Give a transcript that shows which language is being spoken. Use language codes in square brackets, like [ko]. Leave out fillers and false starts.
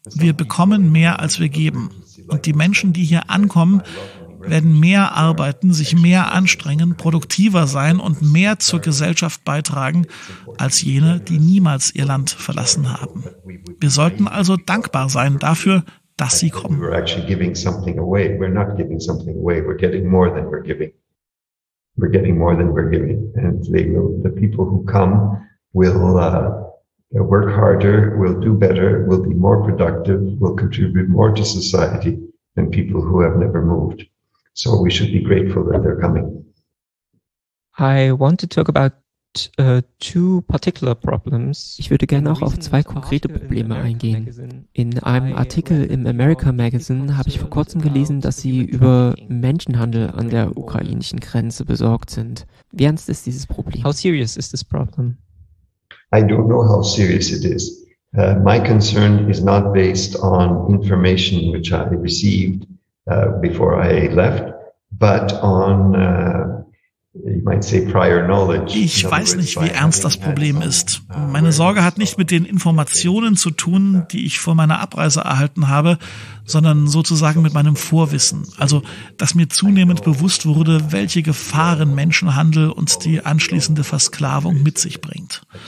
[de] Wir bekommen mehr, als wir geben. Und die Menschen, die hier ankommen, werden mehr arbeiten, sich mehr anstrengen, produktiver sein und mehr zur Gesellschaft beitragen als jene, die niemals ihr Land verlassen haben. Wir sollten also dankbar sein dafür, dass sie kommen. [en] We're actually giving something away. We're not giving something away. We're getting more than we're giving. We're getting more than we're giving. And the people who come will work harder, will do better, will be more productive, will contribute more to society than people who have never moved. So we should be grateful that they're coming. I want to talk about two particular problems. [de] Ich würde gerne auch auf zwei konkrete Probleme eingehen. In einem Artikel im America Magazine habe ich vor kurzem gelesen, dass sie über Menschenhandel an der ukrainischen Grenze besorgt sind. Wie ernst ist dieses Problem? [en] How serious is this problem? I don't know how serious it is. My concern is not based on information which I received before I left, but on you might say prior knowledge. [de] Ich weiß nicht, wie ernst das Problem ist. Meine Sorge hat nicht mit den Informationen zu tun, die ich vor meiner Abreise erhalten habe, sondern sozusagen mit meinem Vorwissen. Also, dass mir zunehmend bewusst wurde, welche Gefahren Menschenhandel und die anschließende Versklavung mit sich bringt.